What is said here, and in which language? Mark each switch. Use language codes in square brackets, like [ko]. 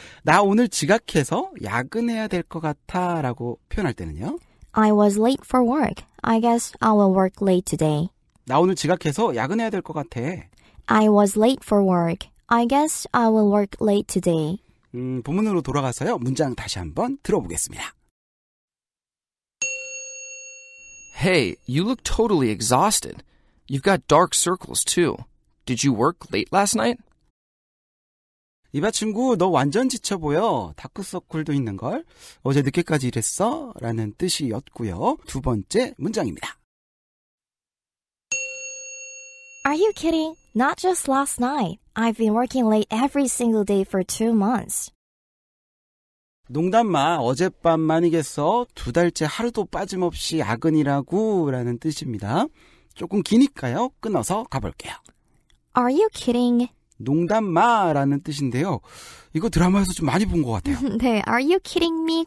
[ko] 나 오늘 지각해서 야근해야 될 것 같아 라고 표현할 때는요? [en] I was late for work. I guess I will work late today. [ko] 나 오늘 지각해서 야근해야 될 것 같아. [en] I was late for work. I guess I will work late today. [ko] 본문으로 돌아가서요. 문장 다시 한번 들어보겠습니다. [en] Hey, you look totally exhausted. You've got dark circles too. Did you work late last night? [ko] 이봐 친구 너 완전 지쳐보여. 다크서클도 있는걸. 어제 늦게까지 일했어? 라는 뜻이었고요. 두 번째 문장입니다. [en] Are you kidding? Not just last night. I've been working late every single day for 2 months. [ko] 농담 마. 어젯밤만이겠어. 두 달째 하루도 빠짐없이 야근이라고 라는 뜻입니다. 조금 기니까요. 끊어서 가볼게요. [en] Are you kidding? [ko] 농담 마 라는 뜻인데요. 이거 드라마에서 좀 많이 본 것 같아요. 네. [en] Are you kidding me?